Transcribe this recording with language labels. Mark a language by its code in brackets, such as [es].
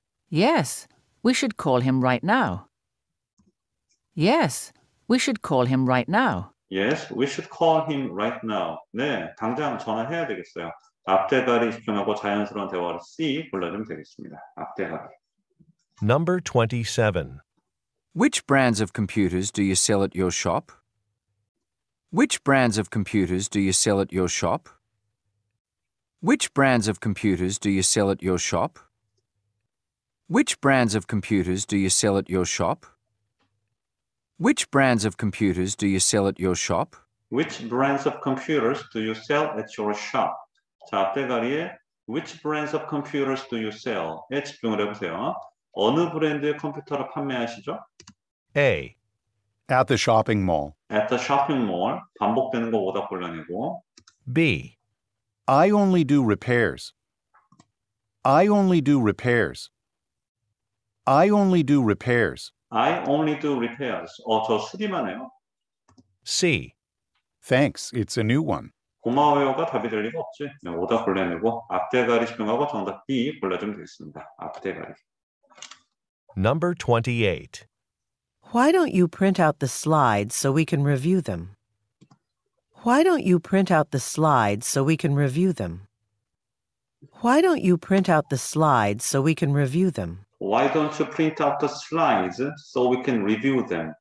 [en] Yes, we should call him right now. Yes, we should call him right now. Yes, we should call him right now. [ko] 네, 당장 전화해야 되겠어요. 앞대가리 집중하고 자연스러운 대화를 C 골라주면 되겠습니다. 앞대가리. [en] Number 27. Which brands of computers do you sell at your shop? Which brands of computers do you sell at your shop? Which brands of computers do you sell at your shop? Which brands of computers do you sell at your shop? Which brands of computers do you sell at your shop? Which brands of computers do you sell at your shop? [ko] 자, 앞대가리에 [en] which brands of computers do you sell? [ko] 에 집중을 해보세요. 어느 브랜드의 컴퓨터를 판매하시죠? [en] A. At the shopping mall. At the shopping mall. [ko] 반복되는 거 오답 곤란이고. [en] B. I only do repairs. I only do repairs. I only do repairs. I only do repairs. [ko] 어, 저 수리만 해요. [en] C. Thanks. It's a new one. [ko] 고마워요가 답이 될 리가 없지. 네, 오답 곤란이고. 앞대가리 시명하고 정답 B 골라주면 되겠습니다. 앞대가리. [en] Number 28. Why don't you print out the slides so we can review them? Why don't you print out the slides so we can review them? Why don't you print out the slides so we can review them? Why don't you print out the slides so we can review them?